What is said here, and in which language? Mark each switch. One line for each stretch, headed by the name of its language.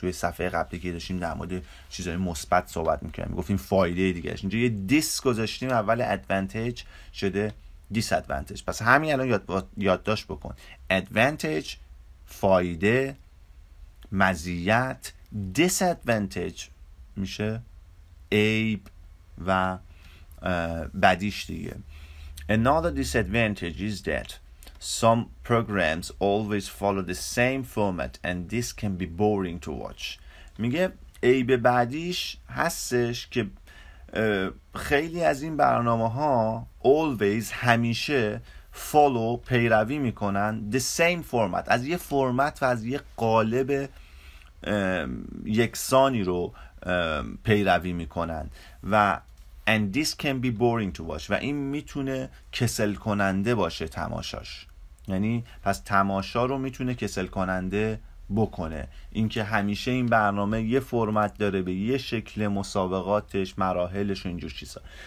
Persian: توی صفحه قبلی که داشتیم در مورد چیزهای مثبت صحبت میکنیم، گفتیم فایده دیگه اش، اینجا یه دیس گذاشتیم، اول ادوانتج شده دیس ادوانتج. پس همین الان یادداشت بکن، ادوانتج فایده، مزیت، دیس ادوانتج میشه عیب و بدیش دیگه.
English: Another disadvantage is that some programs always follow the same format and this can be boring to watch.
Persian: میگه عیب بعدیش هستش که خیلی از این برنامه ها always همیشه follow پیروی میکنن
English: the same format،
Persian: از یه فرمت و از یه قالب یکسانی رو پیروی میکنن و
English: and this can be boring to watch،
Persian: و این میتونه کسل کننده باشه تماشاش، یعنی پس تماشا رو میتونه کسل کننده بکنه اینکه همیشه این برنامه یه فرمت داره به یه شکل، مسابقاتش، مراحلش و اینجور چیزا.